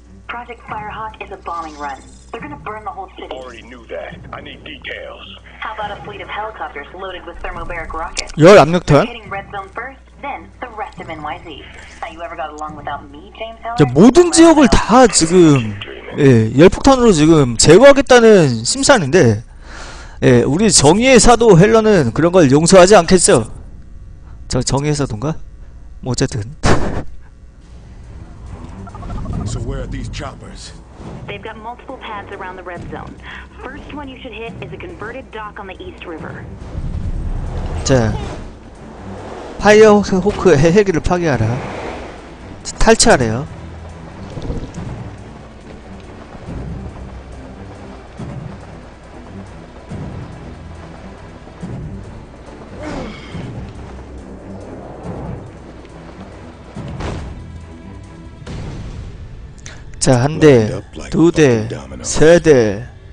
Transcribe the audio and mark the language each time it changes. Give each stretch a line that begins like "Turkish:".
English: Project Firehawk is a bombing run. They're gonna burn the whole city. Already knew that. I need details. How about a fleet of helicopters loaded with thermobaric rockets?
Korean: 16톤?
English: They're hitting Red Zone first, then the rest of NYZ. Now you ever got along without me, James Heller?
Korean: 자, 모든 지역을 다 지금 예, 열폭탄으로 지금 제거하겠다는 심사인데 예, 우리 정의의 사도 헬러는 그런 걸 용서하지 않겠죠? 저 정의의 사도인가? 뭐 어쨌든
English: So where are these choppers? They've got multiple pads around the red zone. First one you should hit is a converted dock on the East River.
Korean: 자 파이어호크 헬기를 파괴하라 탈취하래요 자, 한 대, 두 대, 세 대.